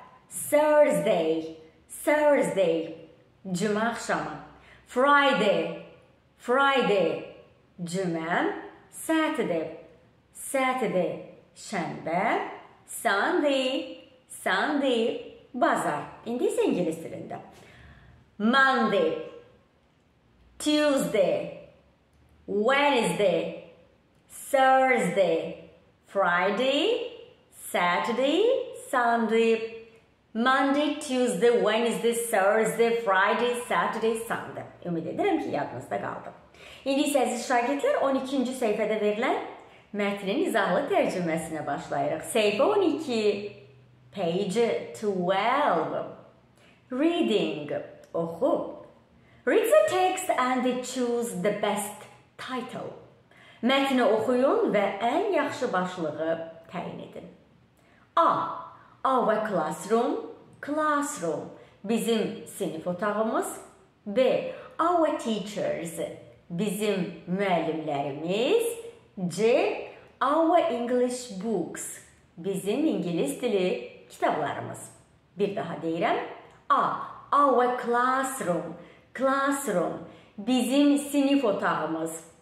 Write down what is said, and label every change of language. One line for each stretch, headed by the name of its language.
English: Thursday,
Azerbaijani: cümə axşamı.
English: Friday,
Azerbaijani: cümə,
English: Saturday,
Azerbaijani: şənbə,
English: Sunday,
Azerbaijani: bazar. İndi isə ingilis dilində.
English: Monday, Tuesday, Wednesday, Thursday, Friday, Saturday, Sunday, Monday, Tuesday, Wednesday, Thursday, Friday, Saturday, Sunday.
Azerbaijani: Ümid edirəm ki, yadınızda qaldı. İndi isə əziz şagirdlər, 12-ci səhifədə verilən mətnin izahlı tərcüməsinə başlayırıq. Səhifə 12,
English: page 12. Reading,
Azerbaijani: oxu.
English: Read the text and choose the best title.
Azerbaijani: Mətni oxuyun və ən yaxşı başlığı təyin edin. A.
English: Our classroom, classroom,
Azerbaijani: bizim sinif otağımız. B.
English: Our teachers,
Azerbaijani: bizim müəllimlərimiz. C.
English: Our English books,
Azerbaijani: bizim ingilis dili kitablarımız. Bir daha deyirəm. A.
English: Our classroom, classroom,
Azerbaijani: bizim sinif otağımız.